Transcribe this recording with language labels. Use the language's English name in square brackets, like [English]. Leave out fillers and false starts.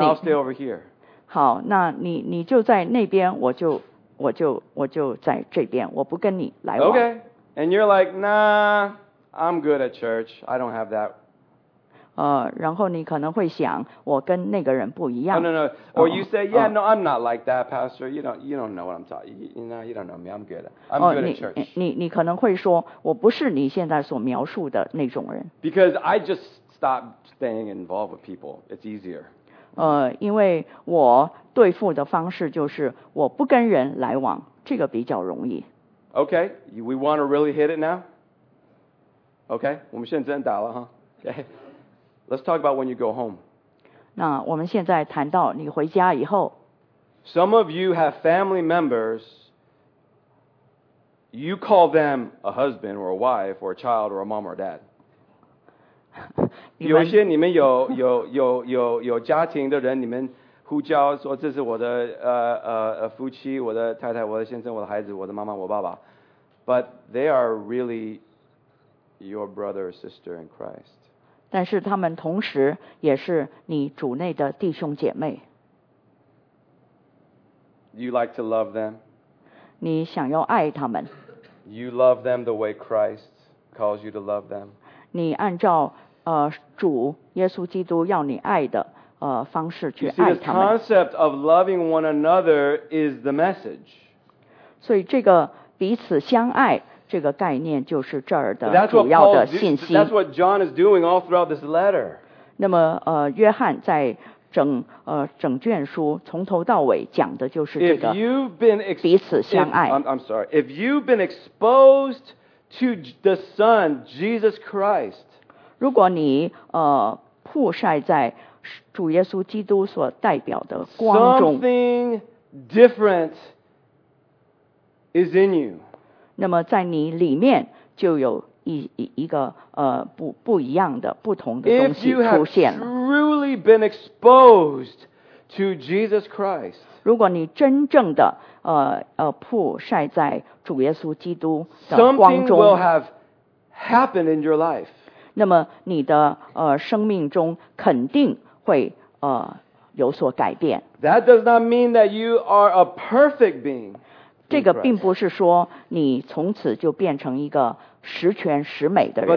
[English] and I'll stay over here. [Chinese] 好，那你就在那边，我就在这边，我不跟你来往。 [English] Okay. And you're like, nah. I'm good at church. I don't have that. [Chinese] 然后你可能会想我跟那个人不一样。 [English] Oh, no, no. Or you say, yeah, no, I'm not like that, pastor. You don't know what I'm talking about. You don't know me. I'm good. I'm good at church. [Chinese] 你可能会说我不是你现在所描述的那种人。 [English] Because I just stopped staying involved with people. It's easier. [Chinese] 因为我对付的方式就是我不跟人来往这个比较容易。 [English] Okay, we want to really hit it now? [Chinese] Okay, 我们现在真打了 huh? [English] Okay. Let's talk about when you go home. [Chinese] 那我们现在谈到你回家以后。 [English] Some of you have family members, you call them a husband or a wife or a child or a mom or a dad. [Chinese] 有些你们有家庭的人，你们呼叫说这是我的夫妻，我的太太，我的先生，我的孩子，我的妈妈，我爸爸。 [English] But they are really your brother or sister in Christ. [Chinese] 但是他们同时也是你主内的弟兄姐妹。 [English] You like to love them. [Chinese] 你想要爱他们。 [English] You love them the way Christ calls you to love them. [Chinese] 你按照主耶稣基督要你爱的方式去爱他们。 [English] You see, the concept of loving one another is the message. [Chinese] 所以这个彼此相爱。这个概念就是这儿的主要的信息。 [English] That's what John is doing all throughout this letter. [Chinese] 那么约翰在整卷书从头到尾讲的就是这个彼此相爱。 [English] I'm sorry. If you've been exposed to the Son, Jesus Christ, [Chinese] 如果你曝晒在主耶稣基督所代表的光中 [English] something different is in you. [Chinese] 那么在你里面就有 一个不一样的不同的东西出现了。 [English] If you have truly been exposed to Jesus Christ, [Chinese] 如果你真正的曝晒在主耶稣基督的光中 [English] something will have happened in your life. [Chinese] 那么你的生命中肯定会有所改变。 [English] That does not mean that you are a perfect being. [Chinese] 这个并不是说你从此就变成一个十全十美的人。